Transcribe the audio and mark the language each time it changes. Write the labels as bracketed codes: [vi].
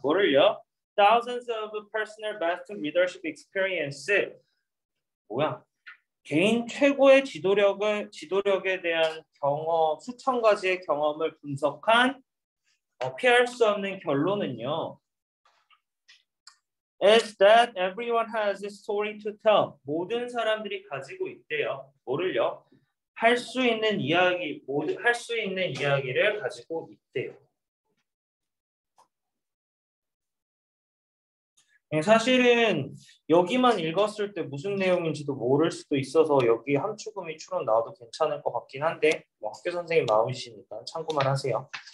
[ko] 뭐를요? [en] Thousands of personal best leadership experience. [ko] 뭐야? 개인 최고의 지도력에 대한 경험, 수천 가지의 경험을 분석한 피할 수 없는 결론은요. [en] is that everyone has a story to tell. [ko] 모든 사람들이 가지고 있대요. 뭐를요? 할 수 있는 이야기, 모두 할 수 있는 이야기를 가지고 있대요. 사실은 여기만 읽었을 때 무슨 내용인지도 모를 수도 있어서 여기 함축음이 추론 나와도 괜찮을 것 같긴 한데 뭐 학교 선생님 마음이시니까 참고만 하세요.